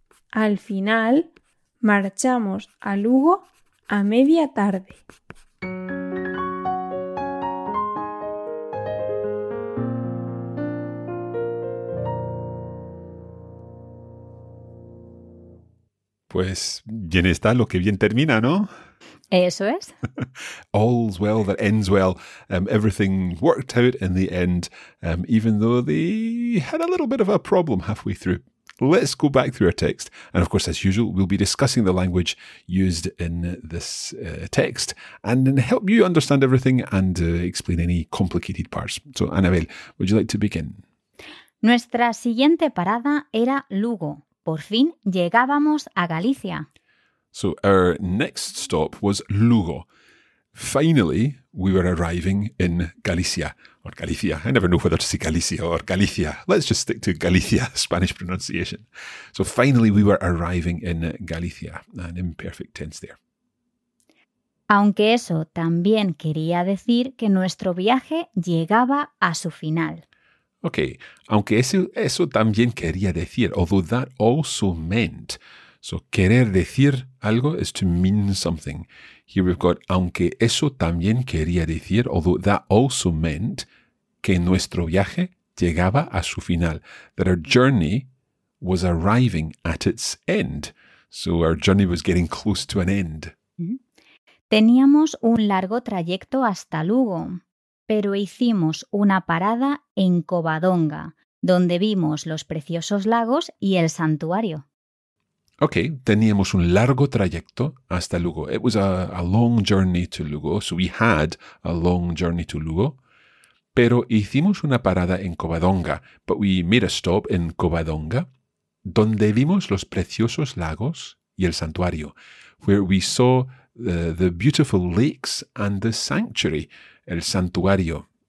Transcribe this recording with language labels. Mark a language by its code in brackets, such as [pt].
[es] Al final, marchamos a Lugo a media tarde. Pues bien está lo que bien termina, ¿no? Eso es. [en] All's well that ends well. Everything worked out in the end, even though they had a little bit of a problem halfway through. Let's go back through our text. And of course, as usual, we'll be discussing the language used in this text and then help you understand everything and explain any complicated parts. So, Anabel, would you like to begin? [es] Nuestra siguiente parada era Lugo. Por fin llegábamos a Galicia. [en] So our next stop was Lugo. Finally, we were arriving in Galicia. Or Galicia. I never know whether to say Galicia or Galicia. Let's just stick to Galicia, Spanish pronunciation. So finally, we were arriving in Galicia. An imperfect tense there. [es] Aunque eso también quería decir que nuestro viaje llegaba a su final. Okay, aunque eso también quería decir, although that also meant. [en] So querer decir algo is to mean something. Here we've got aunque eso también quería decir, although that also meant que nuestro viaje llegaba a su final. That our journey was arriving at its end. So our journey was getting close to an end. [es] Teníamos un largo trayecto hasta Lugo, pero hicimos una parada en Covadonga, donde vimos los preciosos lagos y el santuario. Ok, teníamos un largo trayecto hasta Lugo. [en] It was a long journey to Lugo, so we had a long journey to Lugo. Pero hicimos una parada en Covadonga, but we made a stop in Covadonga, donde vimos los preciosos lagos y el santuario, where we saw the beautiful lakes and the sanctuary, el santuario.